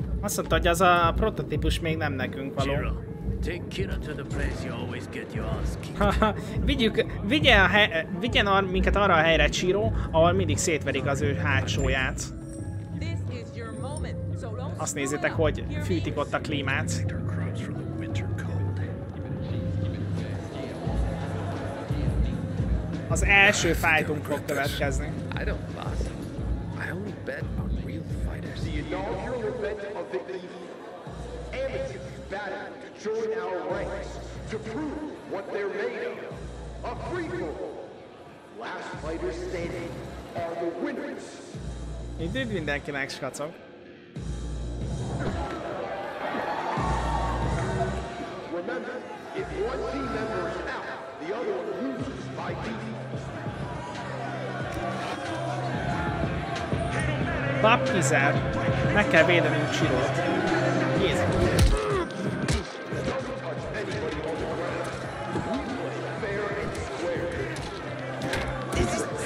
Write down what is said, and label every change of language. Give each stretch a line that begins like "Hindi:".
Hungarian: Azt mondta, hogy az a prototípus még nem nekünk való.
English: Take Kira to the place you always get your ass kicked.
Hungarian: Vigyen minket arra a helyre, Chiro, ahol mindig szétverik az ő hátsóját. Azt nézzétek, hogy fűtik ott a klímát. Az első fájtunk fog következni.
English: I don't boss. I only bet on real fighters. The inaugural event of the evening. Amateur battle. Join our ranks to prove what they're made of. A free for all. Last fighter standing are the winners.
Hungarian: Itt üdv mindenkinek, skacok.
English: Remember, if one team member is out, the other one loses by default.
Hungarian: Bab kizár. Meg kell védenünk Chirot. Jézus.
English: Don't touch anybody on the ground. We play fair and square. This is...